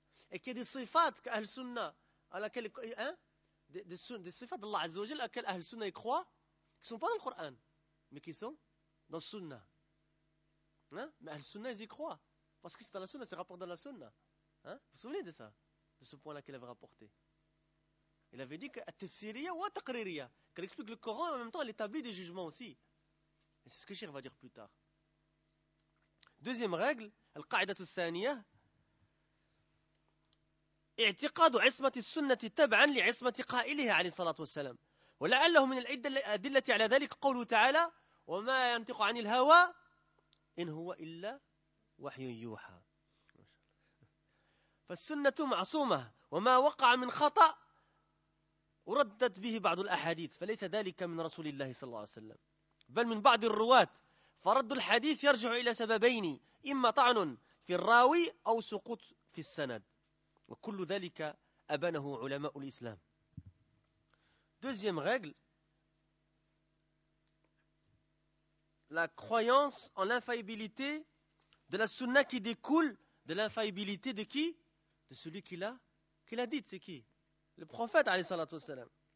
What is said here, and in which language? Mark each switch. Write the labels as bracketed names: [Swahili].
[French] Et qu'il y a des sifat qu'Ahl sunna, à laquelle, hein? Des sifat d'Allah Azza wa Jal, à laquelle Ahl sunna y croit, qui ne sont pas dans le Coran, mais qui sont dans le sunna. Hein? Mais Ahl sunna, ils y croient. Parce que c'est dans la sunna, c'est rapporté dans la sunna. Hein? Vous vous souvenez de ça? De ce point-là qu'il avait rapporté. Il avait dit que at-tafsiriya wa taqririya, qu'elle explique le Coran et en même temps elle établit des jugements aussi. Et c'est ce que Cheikh va dire plus tard. Deuxième règle, [Arabic] القاعدة الثانية, اعتقاد عصمة السنة تبعا لعصمة قائلها عليه الصلاة والسلام. ولعله من الأدلة على ذلك قوله تعالى وما ينطق عن الهوى إن هو إلا وحي يوحى. فالسنة معصومة, وما وقع من خطأ وردت به بعض الأحاديث فليس ذلك من رسول الله صلى الله عليه وسلم بل من بعض الرواة. فرد الحديث يرجع إلى سببين, إما طعن في الراوي أو سقوط في السند, وكل ذلك أبانه علماء الإسلام. [French] Deuxième règle, la croyance en l'infaillibilité de la sunna qui découle de l'infaillibilité de qui? De celui qui l'a dit, c'est qui? Le prophète, alayhi salatu wassalam.